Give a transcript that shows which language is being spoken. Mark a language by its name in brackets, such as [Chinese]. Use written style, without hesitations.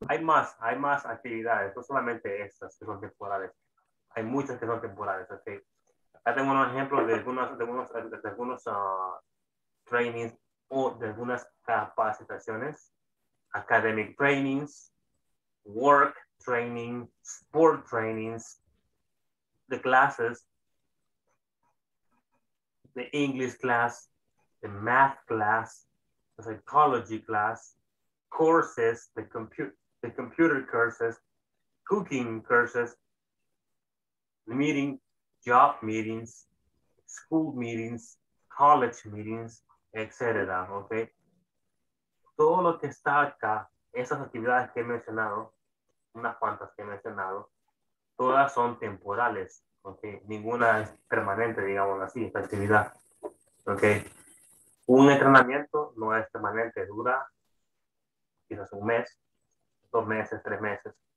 [Spanish] Hay más actividades, no solamente estas que son temporales. Hay muchas que son temporales. Okay. Ya tengo unos ejemplos de algunos trainings o de algunas capacitaciones. [English] Academic trainings, work training, sport trainings, the classes, the English class, the math class, the psychology class, courses, the computer courses, cooking courses, the meeting, job meetings, school meetings, college meetings, etc. Okay. [Spanish] Todo lo que está acá, esas actividades que he mencionado, unas cuantas que he mencionado, todas son temporales. Okay. Ninguna es permanente, digamos así, esta actividad. Okay. Un entrenamiento no es permanente, dura quizás un mes, 2 meses, 3 meses.